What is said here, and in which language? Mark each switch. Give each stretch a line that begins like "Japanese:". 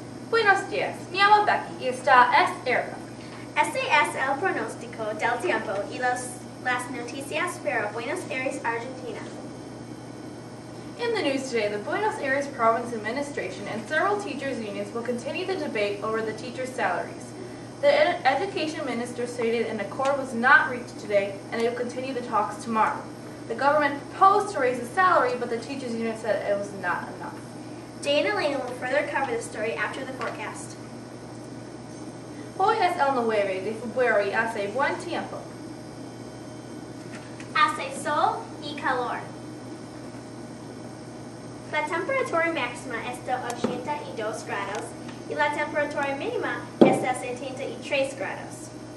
Spanish: Buenos días, me llamo Becky y esta es Erica. Este es el pronóstico del tiempo y las noticias para Buenos Aires, Argentina.
English: In the news today, the Buenos Aires Province Administration and several teachers' unions will continue the debate over the teachers' salaries. The education minister stated an accord was not reached today and they will continue the talks tomorrow. The government proposed to raise the salary, but the teachers' union said it was not enough. Jay and Elena will further cover the story after the forecast.
Spanish: Hoy es el 9 de febrero, hace buen tiempo. Hace sol y calor. La temperatura máxima es de 82 grados y la temperatura mínima es de 73 grados.